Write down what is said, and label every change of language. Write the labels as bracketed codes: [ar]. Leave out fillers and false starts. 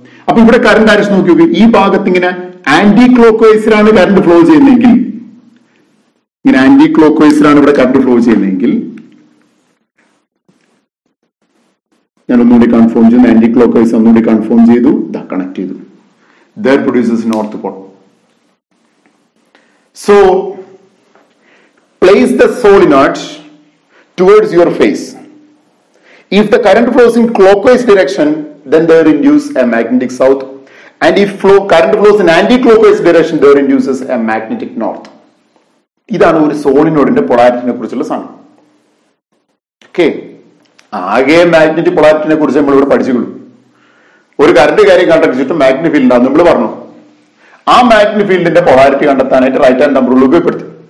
[ml] അപ്പൊ ഇവിടെ current direction നോക്കി നോക്കി ഈ ഭാഗത്ത് ഇങ്ങനെ ആന്റി ക്ലോക്ക് വൈസിലാണ് കറന്റ് ഫ്ലോ ചെയ്യുന്നതെങ്കിൽ, ഇങ്ങനെ ആന്റി ക്ലോക്ക് വൈസിലാണ് ഇവിടെ കറന്റ് ഫ്ലോ ചെയ്യുന്നതെങ്കിൽ, ഞാൻ ഒന്നുകൂടി കൺഫേം ചെയ്യുന്നു, ആന്റി ക്ലോക്ക് വൈസ് ഒന്നുകൂടി കൺഫേം ചെയ്തു, കണക്ട് ചെയ്തു. [en] That produces north pole. So place the solenoid towards your face. If the current flows in clockwise direction, then there induces a magnetic south. And if flow current flows in anti-clockwise direction, there induces a magnetic north. [ml] ഇതാണ് ഒരു സോളിനോഡിന്റെ പൊളാരിറ്റിനെ കുറിച്ചുള്ള സാധനം. Okay, ആകെ magnetic പൊളാരിറ്റിനെ കുറിച്ച് നമ്മൾ ഇവിടെ പഠിച്ചുള്ളൂ. ഒരു current കാര്യം കണ്ടെത്തി ചുറ്റും മാഗ്നറ്റിക് ഫീൽഡ് ഉണ്ടാകും നമ്മൾ പറഞ്ഞു. ആ മാഗ്നറ്റിക് ഫീൽഡിന്റെ പൊളാരിറ്റി കണ്ടെത്താനായിട്ട് റൈറ്റ് ഹാൻഡ് തമ്പ് റൂൾ ഉപയോഗപ്പെടുത്തി.